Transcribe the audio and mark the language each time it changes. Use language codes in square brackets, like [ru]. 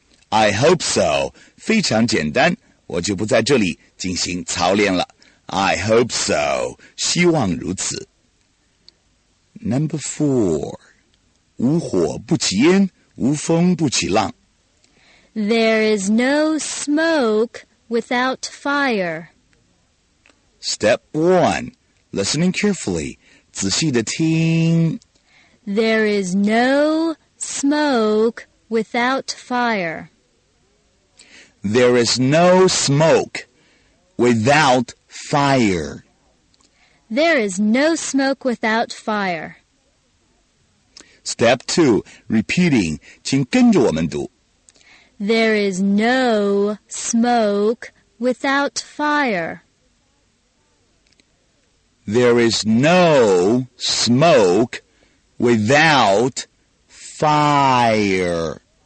[en] I hope so. [zh] 非常简单，我就不在这里进行操练了。 [en] I hope so. [zh] 希望如此。 [en] Number 4. [zh] 无火不起烟，无风不起浪。 [en] There is no smoke without fire. Step 1. Listening carefully. [zh] 仔细地听。 [en] There is no smoke without fire. There is no smoke without fire. There is no smoke without fire. Step 2, repeating, [zh] 请跟着我们读。 [en] There is no smoke without fire. There is no smoke without fire.